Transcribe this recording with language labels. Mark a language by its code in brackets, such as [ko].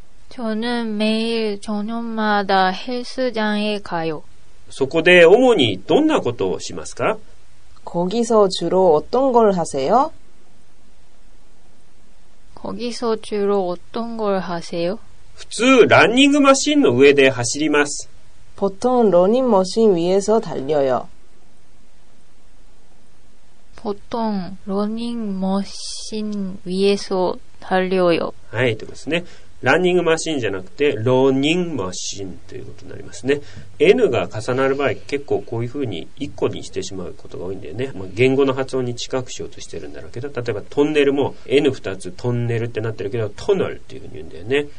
[ko] 저는매일저녁마다헬스장에가요。 [ja] そこで主にどんなことをしますか？ [ko] 거기서주로어떤걸하세요？ 거기서주로어떤걸하세요？ [ja] 普通ランニングマシンの上で走ります。 [ko] 보통러닝머신위에서달려요。 보통 러닝 머신 위에서 달려요. [ja] はい、ということですね。ランニングマシンじゃなくてローニングマシンということになりますね。 N が重なる場合結構こういうふうに一個にしてしまうことが多いんだよね、まあ、言語の発音に近くしようとしてるんだろうけど、例えばトンネルも N2 つトンネルってなってるけどトナルっていうふうに言うんだよね。